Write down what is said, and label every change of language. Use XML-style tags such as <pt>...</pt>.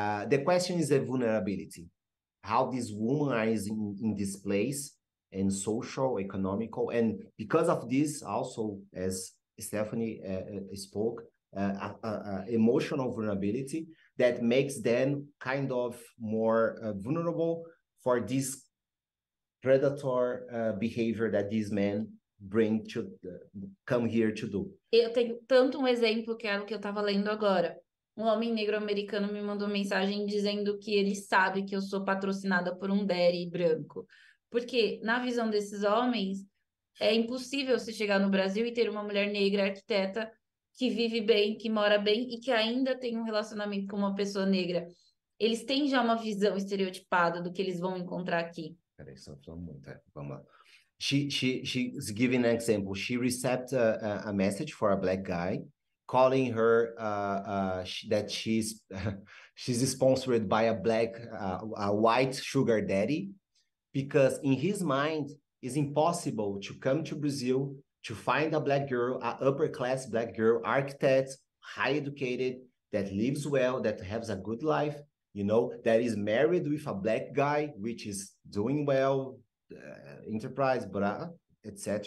<en>the question is the vulnerability, how this woman is in this place, and social, economical, and because of this also, as Stephanie spoke, emotional vulnerability that makes them kind of more vulnerable for this predator behavior that these men bring to come here to do.</en> <pt>Eu tenho tanto exemplo que era o que eu estava lendo agora. Um homem negro americano me mandou mensagem dizendo que ele sabe que eu sou patrocinada por um daddy branco. Porque, na visão desses homens, é impossível se chegar no Brasil e ter uma mulher negra arquiteta que vive bem, que mora bem e que ainda tem um relacionamento com uma pessoa negra. Eles têm já uma visão estereotipada do que eles vão encontrar aqui. Peraí, só falando muito. Vamos lá.</pt> <en>She's giving an example. She received a message for a black guy calling her that she's sponsored by a black a white sugar daddy, because in his mind it's impossible to come to Brazil to find a black girl, a upper class black girl, architect, high educated, that lives well, that has a good life, you know, that is married with a black guy which is doing well, enterprise, blah, etc.</en>